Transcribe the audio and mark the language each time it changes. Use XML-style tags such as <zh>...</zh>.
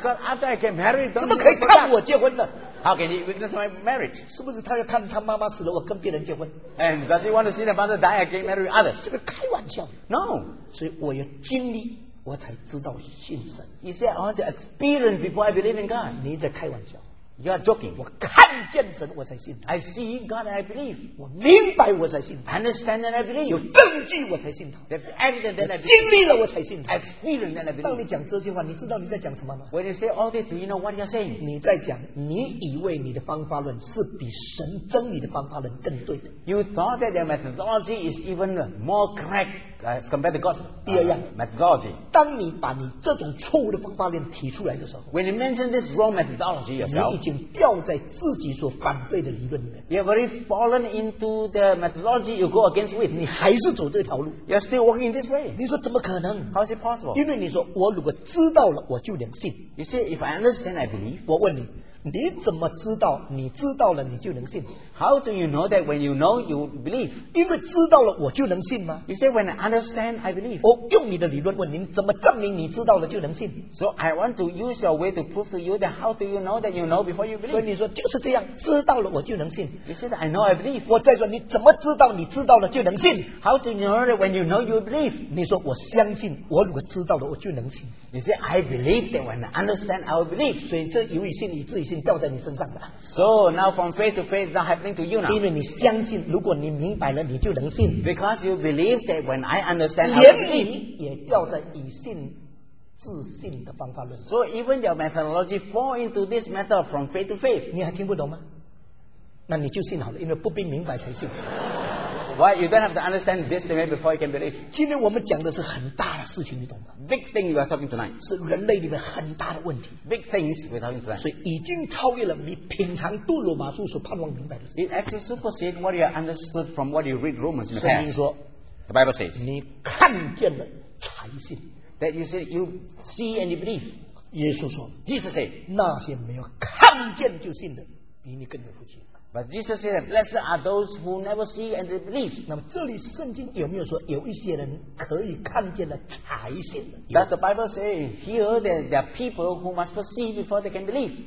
<en>Because after I get married,</en> <zh>怎么可以看我结婚的</zh> <en>？How can he witness my marriage？</en> <zh>是不是他要看他妈妈死了，我跟别人结婚</zh> <en>？And does he want to see the mother die and get married others？</en> <zh>这个开玩笑。</zh> <en>No，</en> <zh>所以我要经历。我才知道信神。</zh> <en>You say I want to experience before I believe in God.</en> <zh>你在开玩笑。</zh> <en>You are joking.</en> <zh>我看见神，我才信他。</zh> <en>I see God and I believe.</en> <zh>我明白，我才信他。</zh> <en>Understand and I believe.</en> <zh>有证据，我才信他。</zh> <en>There's evidence that I believe.</en> <zh>经历了，我才信他。</zh> <en>Experience and I believe.</en> <zh>当你讲这句话，你知道你在讲什么吗</zh> <en>？When you say all this, do you know what you're saying?</en> <zh>你在讲，你以为你的方法论是比神真理的方法论更对的。</zh> <en>You thought that their methodology is even more correct. As compared to God's methodology.</en> <zh>当你把你这种错误的方法论提出来的时候</zh> <en>，When you mention this wrong methodology yourself.</en> <zh>掉在自己所反对的理论里面。</zh> <en>You have already fallen into the methodology you go against with.</en> <zh>你还是走这条路。</zh> <en>You're still walking this way.</en> <zh>你说怎么可能</zh> <en>？How is it possible?</en> <zh>因为你说我如果知道了，我就能信。</zh> <en>You say if I understand, I believe.</en> <zh>我问你，你怎么知道？你知道了，你就能信</zh> <en>？How do you know that when you know you believe?</en> <zh>因为知道了，我就能信吗</zh> <en>？You say when I understand, I believe.</en> <zh>我用你的理论问您，怎么证明你知道了就能信</zh> <en>？So I want to use your way to prove to you that how do you know that you know before you believe?</en> <zh>所以你说就是这样，知道了我就能信。</zh> <en>You say that I know I believe.</en> <zh>我再说，你怎么知道你知道了就能信</zh> <en>？How do you know that when you know you believe?</en> <zh>你说我相信，我如果知道了我就能信。</zh> <en>You say I believe that when I understand, I will believe.</en> <zh>所以这由于信，以至于信。掉在你身上的。</zh> <en>So now from faith to faith, that happening to you now.</en> <zh>因为你相信，如果你明白了，你就能信。</zh> <en>Because you believe that when I understand,</en> <zh>连你也掉在以信自信的方法论。</zh> <en>So even your methodology fall into this method from faith to faith.</en> <zh>你还听不懂吗？那你就信好了，因为不必明白才信。</zh> <en>Why you don't have to understand this thing before you can believe?</en> <zh>今天我们讲的是很大的事情，你懂吗？</zh> <en>Big thing you are talking tonight</en> <zh>是人类里面很大的问题。</zh> <en>Big things we're talking tonight.</en> <zh>所以已经超越了你品尝杜鲁马书所盼望明白的事。</zh> <en>It actually supersedes what you understood from what you read Romans in the past.</en> <zh>圣经说</zh> <en>，The Bible says，</en> <zh>你看见了才信。</zh> <en>That you say you see and you believe.</en> <zh>耶稣说</zh> <en>，Jesus said，</en> <zh>那些没有看见就信的，比你更有福气。</zh> <en>But Jesus said, "Blessed are those who never see and they believe."</en> <zh>那么这里圣经有没有说有一些人可以看见了才信的</zh> <en>？Does the Bible say here that there are people who must see before they can believe?</en>